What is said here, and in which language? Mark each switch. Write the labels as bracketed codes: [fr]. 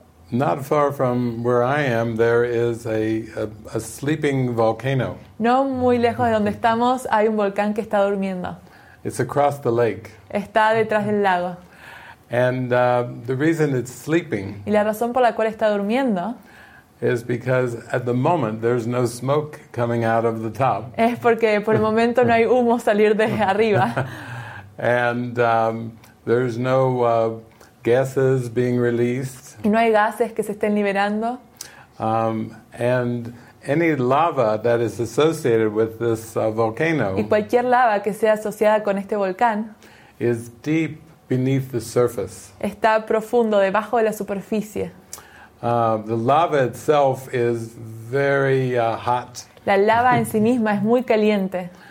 [en] Not far from where I am, there is a sleeping volcano. [es] No muy lejos de donde estamos, hay un volcán que está durmiendo. [en] It's across the lake. [es] Está detrás del lago. [en] And the reason it's sleeping. [es] Y la razón por la cual está durmiendo. [en] Is because at the moment there's no smoke coming out of the top. [es] Es porque por el momento no hay humo salir de arriba. [en] And there's no gases being released. [es] Y no hay gases que se estén liberando. [en] And any lava that is associated with this volcano. [es] Y cualquier lava que sea asociada con este volcán. [en] Is deep beneath the surface. [es] Está profundo debajo de la superficie. [en] The lava itself is very hot. [es] La lava en sí misma es muy caliente.